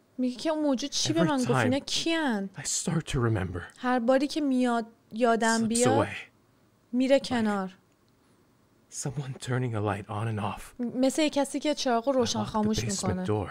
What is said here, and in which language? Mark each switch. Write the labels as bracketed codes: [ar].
[fa] میگه که اون موجود چی به من گفت؟ اینا کیان؟ [en] I start to remember. [fa] هر باری که میاد یادم بیاد. [en] Slips away. [fa] میره کنار. [en] Someone turning a light on and off. [fa] مثل کسی که چراغ رو روشن خاموش میکنه.